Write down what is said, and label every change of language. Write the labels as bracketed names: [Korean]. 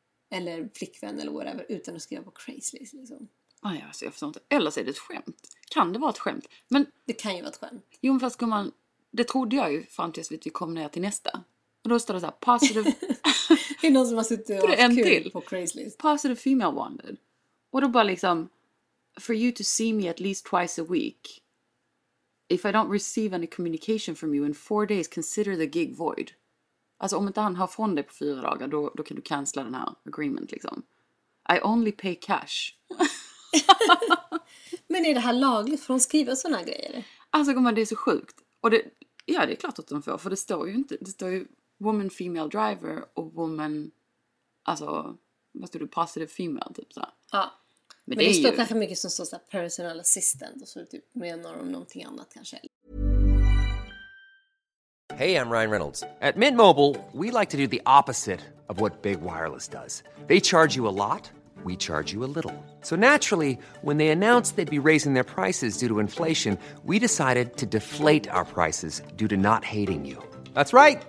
[Swedish] eller flickvän eller whatever utan att skriva på Craigslist liksom. Aj, alltså, jag förstår inte. Eller så är det ett skämt. Kan det vara ett skämt? Men det kan ju vara ett skämt. Jo, men fast man, det trodde jag ju fram tills vi kom ner till nästa. Och då står det så här, positive. Det är någon som har suttit och haft kul på Craigslist. [English] Positive female wanted. [Swedish] Och då bara liksom, [English] for you to see me at least twice a week. If I don't receive any communication from you in 4 days, consider the gig void. [Swedish] Alltså om inte han har från dig på 4 dagar, då kan du cancella den här agreement liksom. [English] I only pay cash. [Swedish] Men är det här lagligt för att skriva sådana grejer? Alltså gumman, det är så sjukt. Och det, ja, det är klart att de får, för det står ju inte, det står ju [English] woman female driver [Swedish] och woman, alltså vad står det, [English] positive female [Swedish] typ så. Ja. Men det står ju kanske mycket som står så här personal assistant och så typ menar om någonting annat kanske. [English] Hey, I'm Ryan Reynolds. At Mint Mobile, we like to do the opposite of what Big Wireless does. They charge you a lot. We charge you a little. So naturally, when they announced they'd be raising their prices due to inflation, we decided to deflate our prices due to not hating you. That's right.